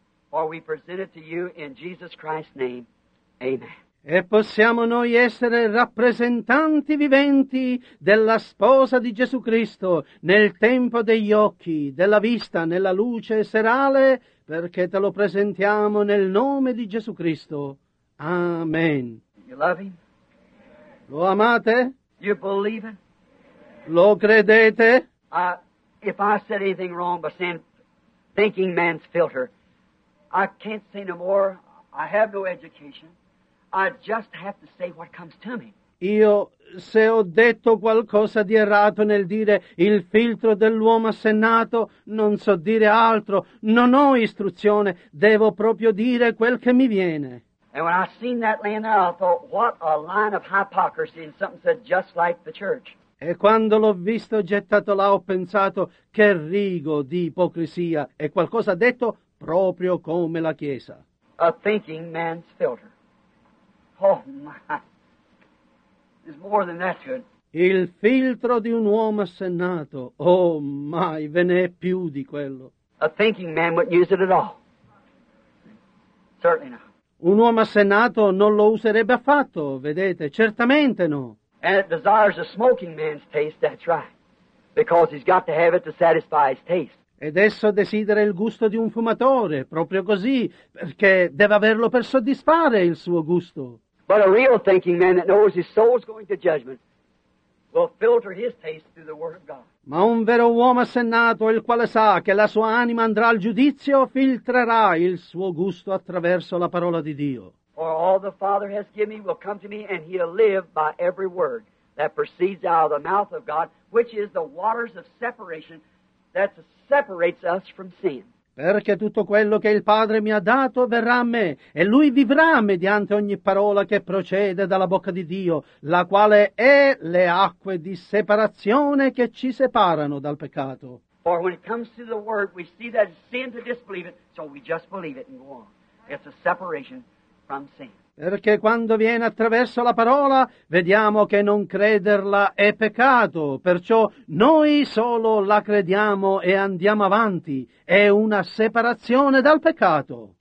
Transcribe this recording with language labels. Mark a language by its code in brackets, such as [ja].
[en] For we present it to you in Jesus Christ's name. Amen. [it] E possiamo noi essere rappresentanti viventi della sposa di Gesù Cristo nel tempo degli occhi, della vista, nella luce serale, perché te lo presentiamo nel nome di Gesù Cristo. Amen. [en] You love him? [it] Lo amate? [en] You believe it? [it] Lo credete? [en] If I said anything wrong by saying thinking man's filter, I can't say no more. I have no education. I just have to say what comes to me. [it] Io, se ho detto qualcosa di errato nel dire il filtro dell'uomo assennato, non so dire altro, non ho istruzione, devo proprio dire quel che mi viene. [en] And when I seen that laying there, I thought, what a line of hypocrisy, and something said just like the church. [it] E quando l'ho visto gettato là, ho pensato, che rigo di ipocrisia, e qualcosa ha detto proprio come la Chiesa. [en] A thinking man's filter. Oh my, it's more than that good. [it] Il filtro di un uomo assennato, [en] oh my, [it] ve ne è più di quello. [en] A thinking man wouldn't use it at all. Certainly not. [it] Un uomo assennato non lo userebbe affatto, vedete, certamente no. [en] And it desires a smoking man's taste, that's right, because he's got to have it to satisfy his taste. [it] Ed esso desidera il gusto di un fumatore, proprio così, perché deve averlo per soddisfare il suo gusto. [en] But a real thinking man that knows his soul's going to judgment will filter his taste through the word of God. [it] Ma un vero uomo assennato, il quale sa che la sua anima andrà al giudizio, filtrerà il suo gusto attraverso la parola di Dio. [en] For all the Father has given me will come to me, and he'll live by every word that proceeds out of the mouth of God, which is the waters of separation that separates us from sin. [it] Perché tutto quello che il Padre mi ha dato verrà a me, e lui vivrà mediante ogni parola che procede dalla bocca di Dio, la quale è le acque di separazione che ci separano dal peccato. [en] For when it comes to the word, we see that it's sin to disbelieve it, so we just believe it and go on. It's a separation. [it] Perché quando viene attraverso la parola, vediamo che non crederla è peccato, perciò noi solo la crediamo e andiamo avanti, è una separazione dal peccato.